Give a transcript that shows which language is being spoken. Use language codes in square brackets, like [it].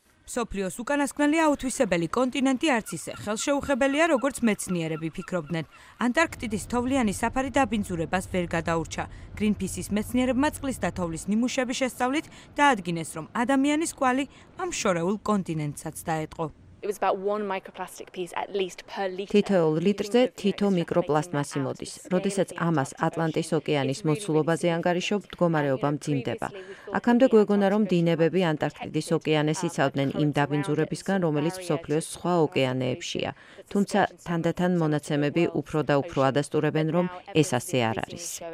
[ka] სოფლიოს უკანასკნელი აუთვისებელი კონტინენტი არც ისე ხელშეუხებელია, როგორც მეცნიერები ფიქრობდნენ. ანტარქტიდის თოვლიანი საფარი დაბინძურებას ვერ გადაურჩა. გრინფისის მეცნიერებმა წყლის და თოვლის ნიმუშები შესწავლით დაადგინეს, რომ ადამიანის კვალი ამ შორეულ კონტინენტსაც დაეტყო. [en] It was about one microplastic piece at least per liter. [ka] თითოეულ ლიტრზე თითო მიკროპლასტმასი მოდის. როდესაც ამას ატლანტის ოკეანის მოცულობაზე ანგარიშობ, მდგომარეობა მძიმდება. აქამდე გვეგონა, რომ დინებები ანტარქტიდის ოკეანეს იცავდნენ იმ დაბინძურებისგან, რომელიც მსოფლიოს სხვა ოკეანეებშია. თუმცა თანდათან მონაცემები უფრო და უფრო ადასტურებენ, რომ ეს ასე არ არის.